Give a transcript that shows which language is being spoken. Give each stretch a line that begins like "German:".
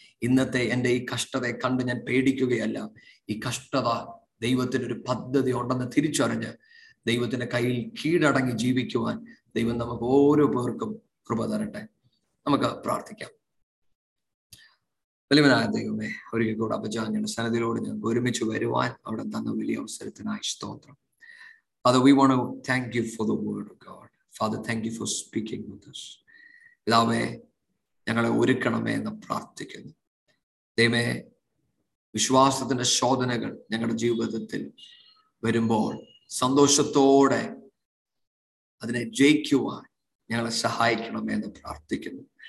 Malayalam: ഇന്നത്തെ എൻ്റെ ഈ കഷ്ടതയെ കണ്ട് ഞാൻ പേടിക്കുകയല്ല, ഈ കഷ്ടത ദൈവത്തിൻ്റെ ഒരു പദ്ധതി ഉണ്ടെന്ന് തിരിച്ചറിഞ്ഞ് ദൈവത്തിൻ്റെ കയ്യിൽ കീഴടങ്ങി ജീവിക്കുവാൻ ദൈവം നമുക്ക് ഓരോ പേർക്കും കൃപ തരട്ടെ. നമുക്ക് പ്രാർത്ഥിക്കാം. വലിയവനായ ദൈവമേ, ഒരിക്കൽ കൂടെ അപജാഞ്ഞ സന്നിധിയിലൂടെ ഞങ്ങൾക്ക് ഒരുമിച്ച് വരുവാൻ അവിടെ തന്ന വലിയ അവസരത്തിനായി സ്തോത്രം.
English: Father, we want to thank you for the word of God. Father, thank you for speaking with us.
Malayalam: Lave, ഞങ്ങളെ ഒരുക്കണമേ എന്ന് പ്രാർത്ഥിക്കുന്നു. ദൈവമേ, വിശ്വാസത്തിന്റെ ശോധനകൾ ഞങ്ങളുടെ ജീവിതത്തിൽ വരുമ്പോൾ സന്തോഷത്തോടെ അതിനെ ജയിക്കുവാൻ ഞങ്ങളെ സഹായിക്കണമേ എന്ന് പ്രാർത്ഥിക്കുന്നു.